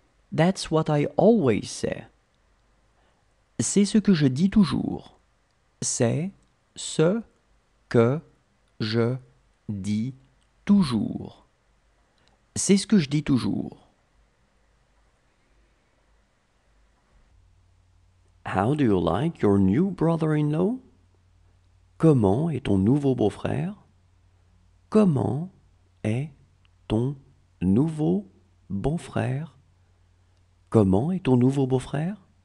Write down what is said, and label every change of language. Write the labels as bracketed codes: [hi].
[en] That's what I always say. [fr] C'est ce que je dis toujours. C'est ce que je dis toujours. C'est ce que je dis toujours. [en] How do you like your new brother-in-law? [fr] Comment est ton nouveau beau-frère? Comment est ton nouveau beau-frère? Comment est ton nouveau beau-frère?